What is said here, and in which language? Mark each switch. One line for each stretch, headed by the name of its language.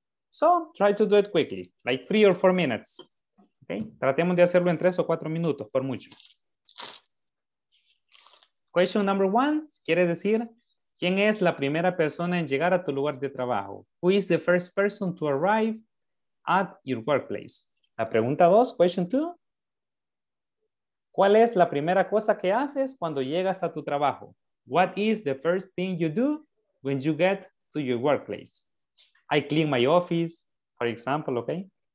English: So, try to do it quickly, like 3 or 4 minutes, ¿ok?
Spanish: Tratemos de hacerlo en 3 o 4 minutos, por mucho.
English: Question number one,
Spanish: quiere decir... ¿Quién es la primera persona en llegar a tu lugar de trabajo?
English: Who is the first person to arrive at your workplace?
Spanish: La pregunta dos,
English: question two.
Spanish: ¿Cuál es la primera cosa que haces cuando llegas a tu trabajo?
English: What is the first thing you do when you get to your workplace? I clean my office, for example, okay?